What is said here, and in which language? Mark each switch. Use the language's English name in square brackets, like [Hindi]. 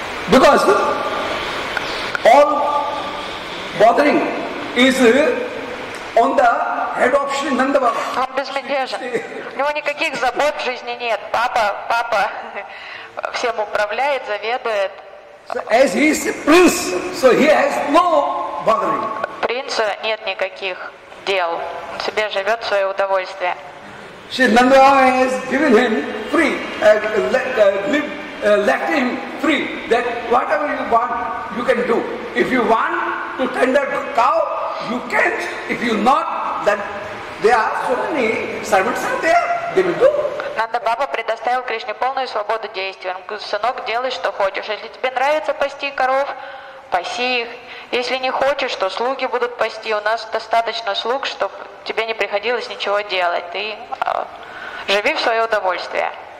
[English] Because all bothering is on the head of Shri Nanda Baba. [Russian] Он безмятежен. У него никаких забот в жизни нет. Папа. Всем управляет, заведует. [English] So, as he is a prince, so he has no bothering. [Russian] Принца нет никаких дел. Он себе живет свое удовольствие. [English] Shri Nanda Baba has given him free, live let him free, that whatever you want, you can do. If you want to tender the cow, you can. If you not, then there are so many servants are there, they will do. [Russian] Нанда Баба предоставил Кришне полную свободу действий. Он говорит, сынок, делай, что хочешь. Если тебе нравится пасти коров, паси их. Если не хочешь, то слуги будут пасти. У нас достаточно слуг, чтобы тебе не приходилось ничего делать. Ты живи в свое удовольствие.